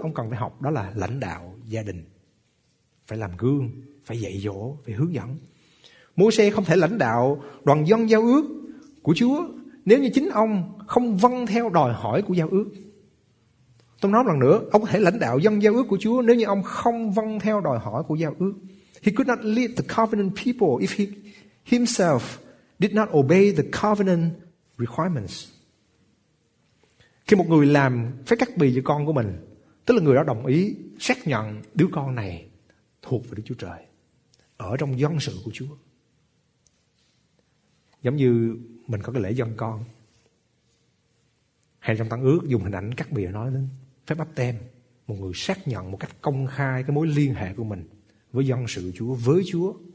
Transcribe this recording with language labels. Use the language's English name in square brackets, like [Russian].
[Vietnamese] Ông cần phải học, đó là lãnh đạo gia đình. Phải làm gương, phải dạy dỗ, phải hướng dẫn. Môi-se không thể lãnh đạo đoàn dân giao ước của Chúa nếu như chính ông không vâng theo đòi hỏi của giao ước. Tôi nói một lần nữa, ông có thể lãnh đạo dân giao ước của Chúa nếu như ông không vâng theo đòi hỏi của giao ước. [English] He could not lead the covenant people if he himself did not obey the covenant requirements. [Vietnamese] Khi một người làm phép cắt bì cho con của mình, tức là người đó đồng ý xác nhận đứa con này thuộc về Đức Chúa Trời, ở trong dân sự của Chúa. Giống như mình có cái lễ dân con, hay trong tăng ước dùng hình ảnh cắt bì nói đến phép báp têm, một người xác nhận một cách công khai cái mối liên hệ của mình với dân sự Chúa, với Chúa.